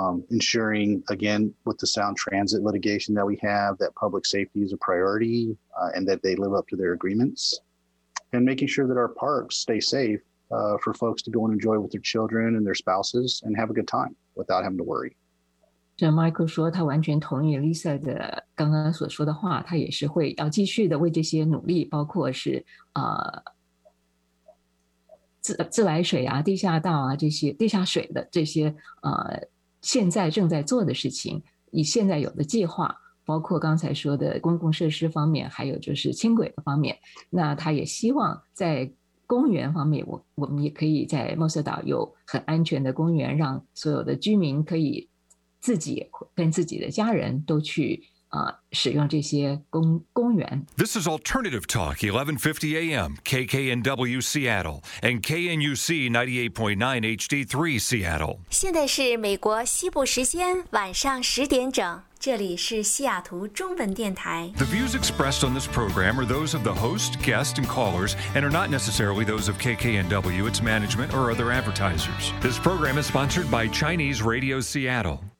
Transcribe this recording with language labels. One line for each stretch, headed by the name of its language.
English: Ensuring, again, with the Sound Transit litigation that we have, that public safety is a priority and that they live up to their agreements. And making sure that our parks stay safe for folks to go and enjoy with their children and their spouses and have a good time without having to worry.
Chinese: So Michael 说他完全同意 Lisa 的刚刚所说的话，他也是会要继续的为这些努力，包括是自来水啊，地下道啊，这些地下水的这些现在正在做的事情，以现在有的计划，包括刚才说的公共设施方面，还有就是轻轨的方面。那他也希望在公园方面，我们也可以在墨色岛有很安全的公园，让所有的居民可以自己跟自己的家人都去使用这些公园。
English: This is Alternative Talk, 1150 AM, KKNW Seattle, and KNUC 98.9 HD3 Seattle.
Chinese: 现在是美国西部时间晚上10点整，这里是西雅图中文电台。
English: The views expressed on this program are those of the host, guest, and callers, and are not necessarily those of KKNW, its management, or other advertisers. This program is sponsored by Chinese Radio Seattle.